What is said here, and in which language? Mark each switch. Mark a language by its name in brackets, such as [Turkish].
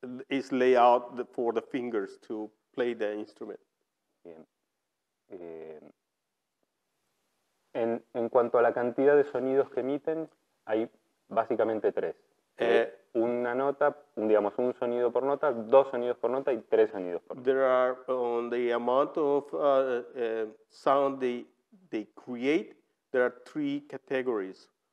[English] is laid out for the fingers to play the instrument. [Spanish] Bien. En cuanto a la cantidad de sonidos que emiten, hay básicamente tres. Una nota, digamos, un sonido por nota, dos sonidos por nota y tres sonidos por nota. [English] There are on the amount of sound they create, there are three categories.